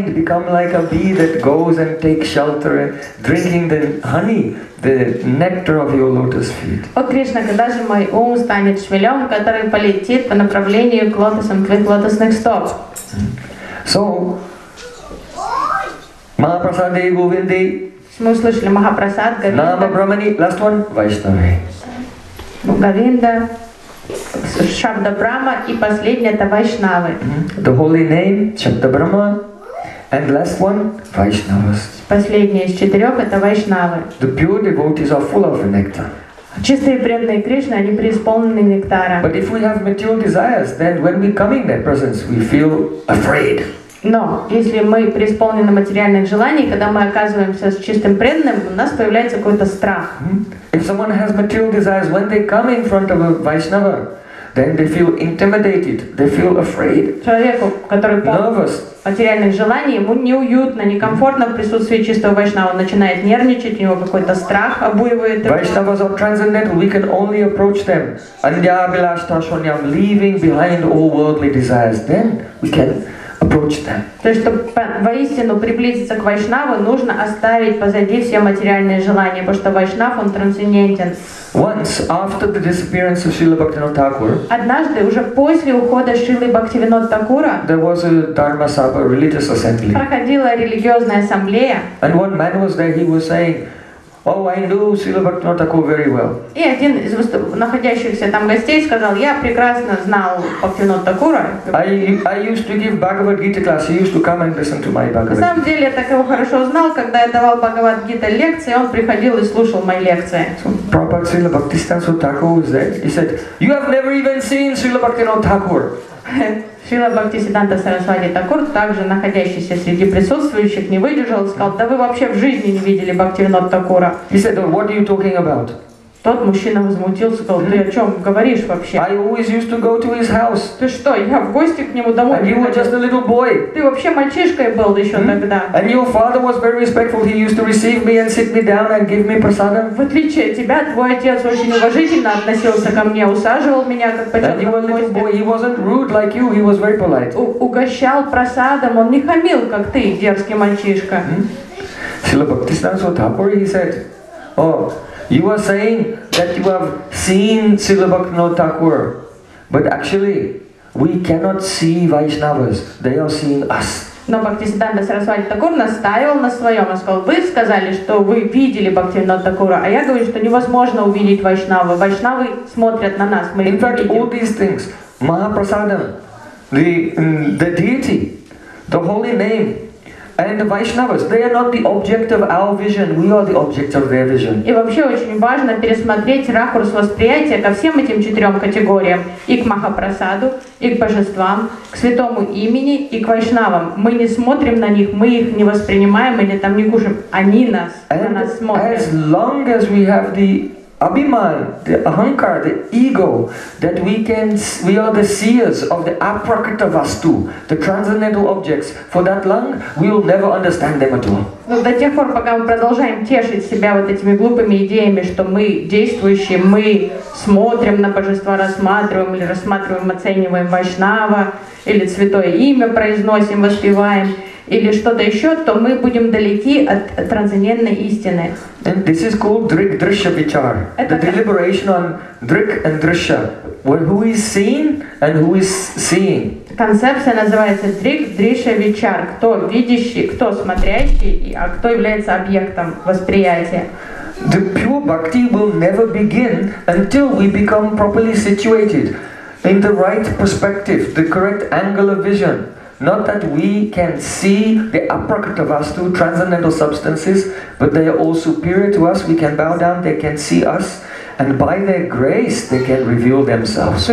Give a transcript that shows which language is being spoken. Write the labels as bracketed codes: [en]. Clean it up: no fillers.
[en] mind become like a bee that goes and takes shelter, drinking the honey, the nectar of your lotus feet. [ru] О Кришна, когда же мой ум станет шмелем, который полетит по направлению к лотосам твоих лотосных стоп? [en] So, Mahaprasade Govinde. [ru] Мы услышали Махапрасад Говинда. [en] Нама Брамани, last one, Вайшнаве. [ru] Говинда, Шабда Брама и последнее это Вайшнавы. [en] The holy name Шабда Брама and last one Вайшнавас. [ru] Последнее из четырех это Вайшнавы. [en] The pure devotees are full of nectar. [ru] Чистые преданные Кришны, они преисполнены нектара. [en] But if we have material desires, then when we come in their presence, we feel afraid. [ru] Но если мы преисполнены материальных желаний, когда мы оказываемся с чистым преданным, у нас появляется какой-то страх. [en] If someone has material desires, when they come in front of a Vaishnava, then they feel intimidated, they feel afraid. [ru] Человеку, который полон материальных желаний, ему неуютно, некомфортно в присутствии чистого Вайшнава. Он начинает нервничать, у него какой-то страх обуивает его. [en] Vaishnavas are transcendental, we can only approach them. Andhya Bilashta Shonyam, leaving behind all worldly desires, then we can approach them. [ru] То есть, чтобы воистину приблизиться к Вайшнаву, нужно оставить позади все материальные желания, потому что Вайшнав, он трансцендентен. [en] Once, after the disappearance of Srila Bhaktivinoda Thakur, [ru] однажды, уже после ухода Шрилы Бхактивинода Такура, [en] there was a Dharma Sabha, religious assembly. [ru] Проходила религиозная ассамблея. [en] And one man was there, he was saying, oh, I know Srila Bhaktivinoda Thakur very well. [ru] И один из находящихся там гостей сказал, я прекрасно знал Бхактивинода Такура. [en] I used to give Bhagavad Gita class, he used to come and listen to my Bhagavad Gita. [ru] На самом деле, я так его хорошо знал, когда я давал Бхагавад Гита лекции, он приходил и слушал мои лекции. [en] So, Prabhupada Srila Bhaktisiddhanta Thakur was there. He said, you have never even seen Srila Bhaktivinoda Thakur. [ru] Шрила Бхактисиддханта Сарасвати Такур, также находящийся среди присутствующих, не выдержал, сказал, да вы вообще в жизни не видели Бхактивинода Такура. [en] He said, well, what are you talking about? [ru] Тот мужчина возмутился, сказал, ты о чем говоришь вообще? [en] I always used to go to his house. [ru] Ты что, я в гости к нему домой приходил? [en] And you were just a little boy. [ru] Ты вообще мальчишкой был еще тогда. [en] And your father was very respectful. He used to receive me and sit me down and give me prasadam. [ru] В отличие от тебя, твой отец очень уважительно относился ко мне, усаживал меня как почетный гость. [en] And he was a little boy. He wasn't rude like you. He was very polite. [ru] Угощал прасадом, он не хамил, как ты, дерзкий мальчишка. [en] Srila Bhaktisiddhanta Thakur, he said, oh, you are saying that you have seen Srila Bhaktivinoda Thakur, but actually, we cannot see Vaishnavas, they are seeing us. [ru] Но Бхактисиддханта Сарасвати Такур настаивал на своем, он сказал, вы сказали, что вы видели Бхактивинода Такура, а я говорю, что невозможно увидеть Вайшнавы, Вайшнавы смотрят на нас, мы их не видим. [en] In fact, all these things, Mahaprasadam, the deity, the holy name, and the Vaishnavas, they are not the object of our vision, we are the object of their vision. [ru] И вообще очень важно пересмотреть ракурс восприятия ко всем этим четырем категориям. И к Махапрасаду, и к божествам, к святому имени, и к Вайшнавам. Мы не смотрим на них, мы их не воспринимаем или там не кушаем. Они нас, [en] and [ru] на нас смотрят. [en] As long as we have the Abhiman, the ahankar, the ego, that we are the seers of the aprakritavastu, the transcendental objects, for that long, we will never understand them at all. [ru] Но до тех пор, пока мы продолжаем тешить себя вот этими глупыми идеями, что мы действующие, мы смотрим на божества, рассматриваем или рассматриваем, оцениваем Вайшнава, или святое имя произносим, воспеваем, или что-то еще, то мы будем далеки от трансцендентной истины. [en] And this is called drik drishya vichar. The deliberation on drik and drishya. Well, who is seen and who is seeing? [ru] Концепция называется drik drishya vichar. Кто видящий, кто смотрящий, а кто является объектом восприятия? [en] The pure bhakti will never begin until we become properly situated in the right perspective, the correct angle of vision. Not that we can see the aprakritavastu, transcendental substances, but they are all superior to us, we can bow down, they can see us, and by their grace they can reveal themselves.